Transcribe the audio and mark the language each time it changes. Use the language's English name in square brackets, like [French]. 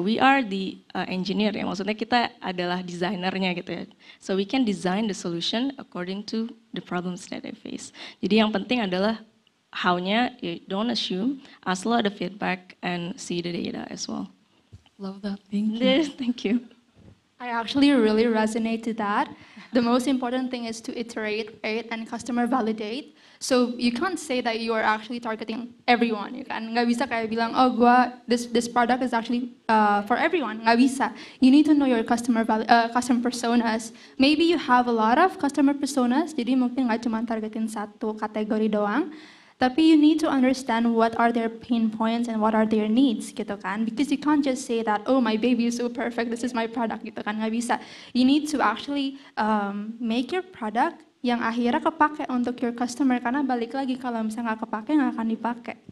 [English] We are the engineer [Indonesian] ya, maksudnya kita adalah desainernya gitu ya. [English] So we can design the solution according to the problems that they face. [Indonesian] Jadi yang penting adalah [English] how-nya, you don't assume, ask a lot of feedback and see the data as well. Love that, thank you. Yes, thank you. I actually really resonate to that. The most important thing is to iterate, right, and customer validate. So you can't say that you are actually targeting everyone. You can [Indonesian] nggak bisa kayak bilang, oh gua [English] this product is actually for everyone. [Indonesian] Nggak bisa. [English] You need to know your customer personas. Maybe you have a lot of customer personas. [Indonesian] Jadi mungkin nggak cuma targetin satu kategori doang. [English] Tapi you need to understand what are their pain points and what are their needs, gitu kan? Because you can't just say that, oh my baby is so perfect. This is my product, gitu kan? [Indonesian] Nggak bisa. [English] You need to actually make your product [Indonesian] yang akhirnya kepake untuk [English] your customer, [Indonesian] karena balik lagi kalau misalnya nggak kepake nggak akan dipakai.